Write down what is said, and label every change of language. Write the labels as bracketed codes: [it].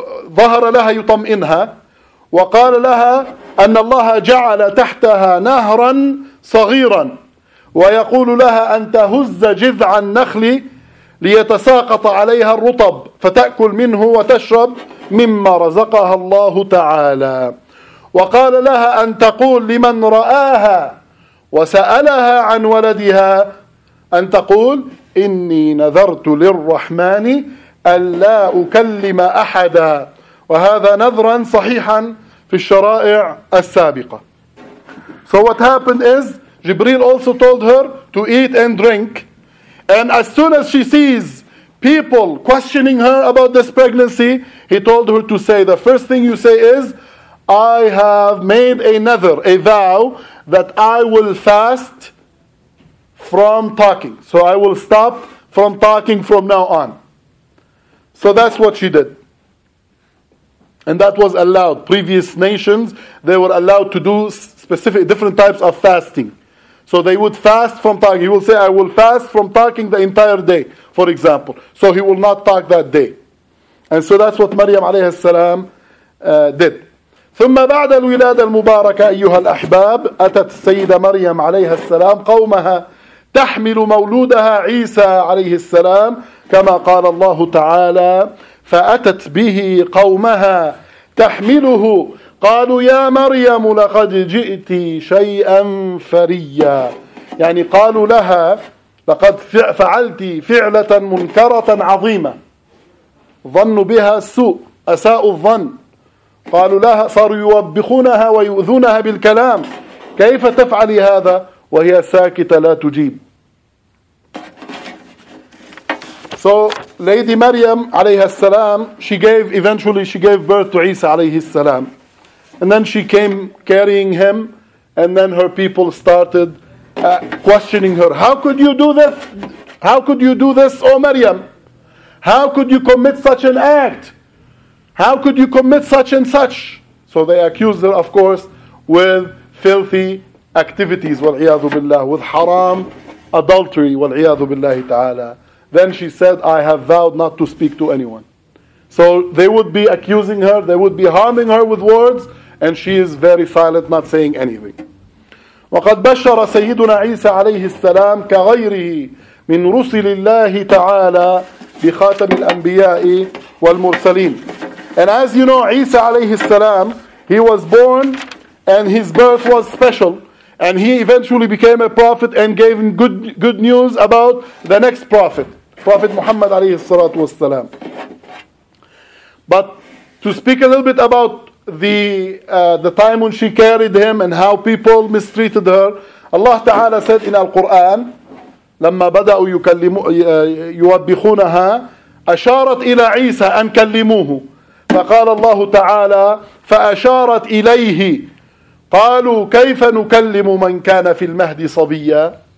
[ar] ظهر لها يطمئنها وقال لها أن الله جعل تحتها نهرا صغيرا ويقول لها أن تهز جذع النخل ليتساقط عليها الرطب فتأكل منه وتشرب مما رزقها الله تعالى وقال لها أن تقول لمن رآها وسألها عن ولدها أن تقول إني نذرت للرحمن ألا أكلم أحدا وهذا نذرا صحيحا في الشرائع السابقة. [en] So what happened is Jibreel also told her to eat and drink, and as soon as she sees people questioning her about this pregnancy, he told her to say, the first thing you say is, I have made a nether, a vow, that I will fast from talking. So I will stop from talking from now on. So that's what she did. And that was allowed. Previous nations, they were allowed to do specific different types of fasting. So they would fast from talking. He will say, I will fast from talking the entire day, for example. So he will not talk that day. And so that's what Maryam alayhi salam did. [ar] ثم بعد الولادة المباركة أيها الأحباب أتت السيدة مريم عليها السلام قومها تحمل مولودها عيسى عليه السلام كما قال الله تعالى فأتت به قومها تحمله قالوا يا مريم لقد جئت شيئا فريا يعني قالوا لها لقد فعلت فعلة منكرة عظيمة ظنوا بها السوء أساء الظن قالوا لها صاروا يوبخونها ويؤذونها بالكلام كيف تفعل هذا وهي ساكتة لا تجيب. [en] So Lady Maryam عليها السلام, she gave birth to Isa عليه السلام, and then she came carrying him, and then her people started questioning her, how could you do this? How could you do this, O Maryam? How could you commit such an act? How could you commit such and such? So they accused her, of course, with filthy activities, والعياذ بالله, with haram, adultery, والعياذ بالله تعالى. Then she said, I have vowed not to speak to anyone. So they would be accusing her, they would be harming her with words, and she is very silent, not saying anything. [ar] وقد بشر سيدنا عيسى عليه السلام كغيره من رسل الله تعالى بخاتم الأنبياء والمرسلين. [en] And as you know, Isa alayhi salam, he was born and his birth was special. And he eventually became a prophet and gave good news about the next prophet, Prophet Muhammad alayhi salatu wasalam. But to speak a little bit about the time when she carried him and how people mistreated her, Allah Ta'ala said in Al-Quran, [ar] لَمَّا بَدَأُوا يُوَبِّخُونَهَا أَشَارَتْ إِلَىٰ عِيسَىٰ أَنْ كَلِّمُوهُ فَقَالَ اللَّهُ تَعَالَىٰ فَأَشَارَتْ إِلَيْهِ قَالُوا كَيْفَ نُكَلِّمُ مَنْ كَانَ فِي الْمَهْدِ صَبِيًّا.